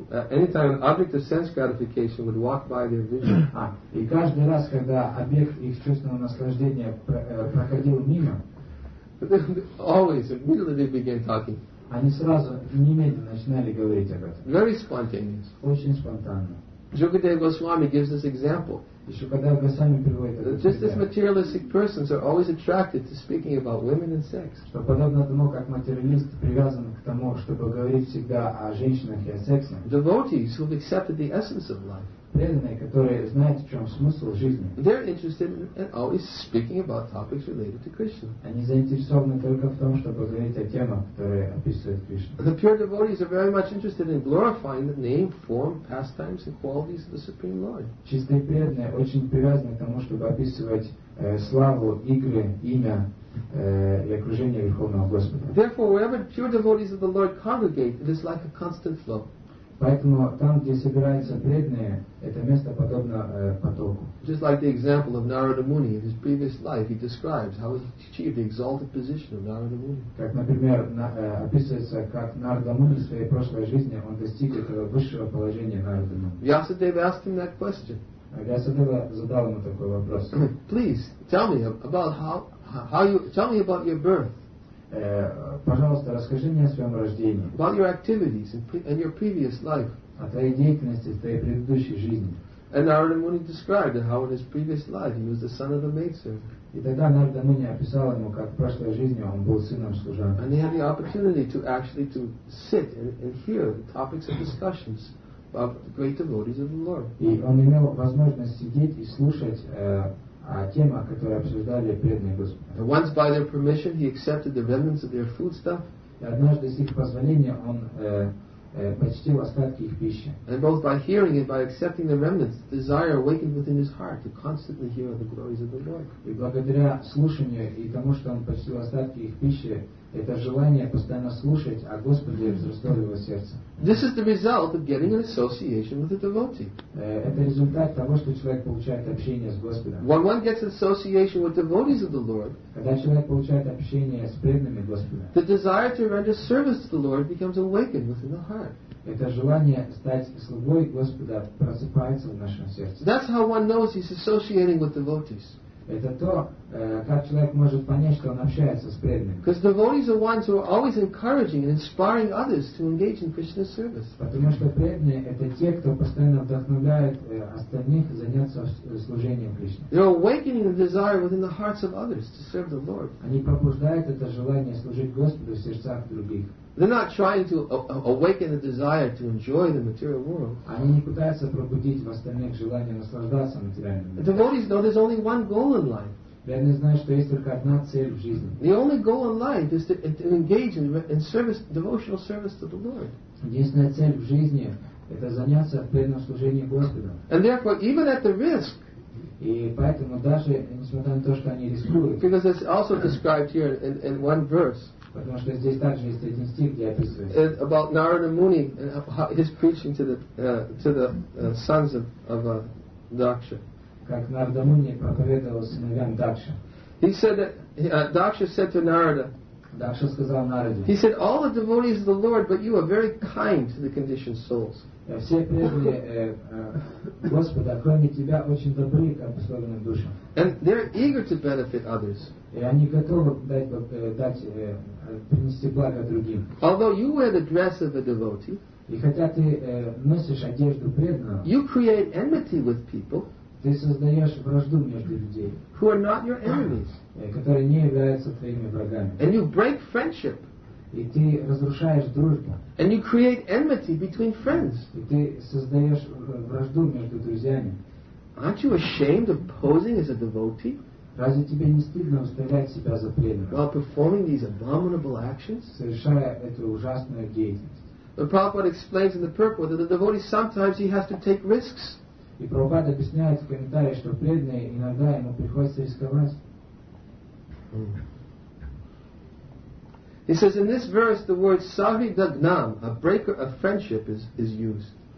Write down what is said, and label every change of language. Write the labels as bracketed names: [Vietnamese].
[English] Anytime an object of sense gratification would walk by their vision. [Russian] И каждый раз, когда объект их чувственного наслаждения проходил мимо, [English] always immediately they began talking. [Russian] Они сразу немедленно начинали говорить об этом. [English] Very spontaneous. [Russian] Очень спонтанно. [English] Shukadeva Goswami gives this example. [Russian] Shukadeva Goswami приводит этот пример. [English] Just as materialistic persons are always attracted to speaking about women and sex. [Russian] Что подобно тому, как материалист привязан к тому, чтобы говорить всегда о женщинах и о сексе. [English] Devotees who have accepted the essence of life. [Russian] Преданные, которые знают, в чем смысл жизни. [English] They're interested in always speaking about topics related to Krishna. [Russian] Они заинтересованы только в том, чтобы говорить о темах, которые описывают Кришну. [English] The pure devotees are very much interested in glorifying the name, form, pastimes, and qualities of the Supreme Lord. [Russian] Чистые преданные очень привязаны к тому, чтобы описывать славу, игры, имя и окружение Верховного Господа. [English] Therefore, wherever pure devotees of the Lord congregate, it is like a constant flow. [Russian] Поэтому там, где собираются преданные, это место подобно потоку. [English] Just like the example of Narada Muni, in his previous life, he describes how he achieved the exalted position of Narada Muni. [Russian] Как, например, описывается, как Нарада Муни в своей прошлой жизни, он достиг этого высшего положения Нарада Муни. [English] Vyasadeva asked him that question. [Russian] Vyasadeva задал ему такой вопрос. [English] Please, tell me about your birth. [Russian] Пожалуйста, расскажи мне о своем рождении. [English] About your activities and your previous life. [Russian] О твоей деятельности, о твоей предыдущей жизни. [English] And Narada Muni described how in his previous life he was the son of a maidservant. [Russian] И тогда Нарада Муни описал ему, как в прошлой жизни он был сыном служанки. [English] And he had the opportunity to actually to sit and hear the topics of discussions of the great devotees of the Lord. [Russian] И он имел возможность сидеть и слушать о темах, которые обсуждали преданные Господа. [English] Once by their permission, he accepted the remnants of their foodstuff. [Russian] И однажды, с их позволения, он почтил остатки их пищи. [English] And both by hearing and by accepting the remnants, the desire awakened within his heart to constantly hear the glories of the Lord. [Russian] И благодаря слушанию и тому, что он почтил остатки их пищи, Это желание постоянно слушать о Господе взросло в его сердце. [English] This is the result of getting an association with a devotee. [Russian] Это результат того, что человек получает общение с Господом. [English] When one gets an association with devotees of the Lord, [Russian] когда человек получает общение с преданными Господа, [English] the desire to render service to the Lord becomes awakened within the heart. [Russian] Это желание стать слугой Господа просыпается в нашем сердце. [English] That's how one knows he's associating with devotees. [Russian] Это то, как человек может понять, что он общается с преданными. [English] Because devotees are ones who are always encouraging and inspiring others to engage in Krishna service. [Russian] Потому что преданные это те, кто постоянно вдохновляет остальных заняться служением Кришне. [English] They're awakening the desire within the hearts of others to serve the Lord. [Russian] Они пробуждают это желание служить Господу в сердцах других. [English] They're not trying to awaken the desire to enjoy the material world. [Russian] Они не пытаются пробудить в остальных желание наслаждаться материальным миром. [English] Devotees know there's only one goal in life. [Russian] Преданные знают, что есть только одна цель в жизни. [English] The only goal in life is to engage in service, devotional service to the Lord. [Russian] Единственная цель в жизни – это заняться преданным служением Господу. [English] And therefore, even at the risk. [Russian] И поэтому даже несмотря на то, что они рискуют. [English] Because it's also described here in one verse. [Russian] Потому что здесь также есть один стих, где описывается. [English] And about Narada Muni and his preaching to the sons of Daksha. [Russian] Как Нарада Муни проповедовал сыновьям Дакши. [English] He said that Daksha said to Narada. [Russian] Дакша сказал Нараде. [English] He said, "All the devotees of the Lord, but you are very kind to the conditioned souls." [Russian] Все преданные Господа, кроме тебя, очень добры к обусловленным душам. [English] And they're eager to benefit others. [Russian] И они готовы дать принести благо другим. [English] Although you wear the dress of a devotee, [Russian] и хотя ты носишь одежду преданного, [English] you create enmity with people, [Russian] ты создаешь вражду между людей, [English] who are not your enemies, [Russian] которые не являются твоими врагами. [English] And you break friendship, [Russian] и ты разрушаешь дружбу. [English] And you create enmity between friends, [Russian] и ты создаешь вражду между друзьями. [English] Aren't you ashamed of posing as a devotee? [Russian] Разве тебе не стыдно выставлять себя за преданного? [English] While performing these abominable actions, [Russian] совершая эту ужасную деятельность. [English] The Prabhupada explains in the purport that the devotee sometimes he has to take risks. [Russian] И Прабхупада объясняет в комментарии, что преданный иногда ему приходится рисковать. [English] He says in this verse the word sahi dagnam, a breaker of friendship, is used.